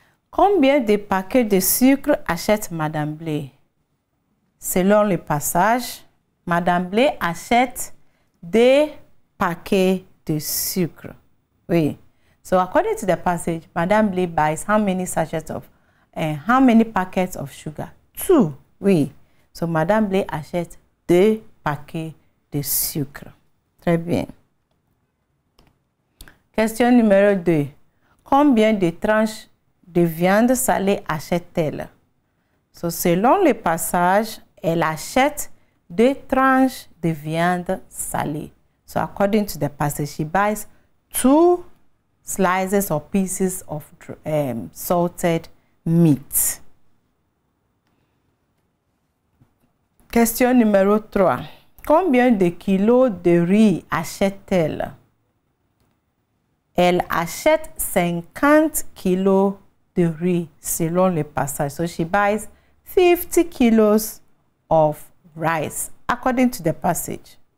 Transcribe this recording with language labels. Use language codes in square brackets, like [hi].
[fr] Combien de paquets de sucre achète Madame Blay? Selon le passage, Madame Blay achète des paquets de sucre. Oui. [en] So according to the passage, Madame Blay buys how many sachets of and how many packets of sugar? Two. [fr] Oui. So Madame Blay achète deux paquets de sucre. Très bien. Question numéro 2. Combien de tranches de viande salée achète-t-elle? So selon le passage, elle achète deux tranches de viande salée. [en] So according to the passage, she buys two slices or pieces of salted meat. [fr] Question numéro 3. Combien de kilos de riz achète-t-elle? Elle achète 50 kilos de riz selon le passage. [en] So she buys 50 kilos of rice according to the passage.